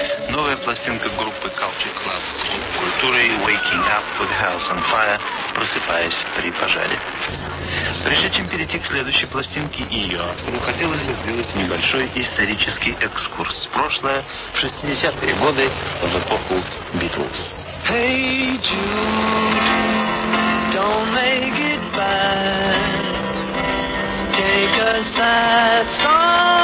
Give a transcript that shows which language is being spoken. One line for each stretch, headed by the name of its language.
Russian: Новая пластинка группы Culture Club. Культура и Waking Up with House on Fire. Просыпаясь при пожаре. Прежде чем перейти к следующей пластинке и ее автору, хотелось бы сделать небольшой исторический экскурс. Прошлое в 60-е годы в эпоху Beatles.
English: Hey Jude, don't make it bad. Take a sad song.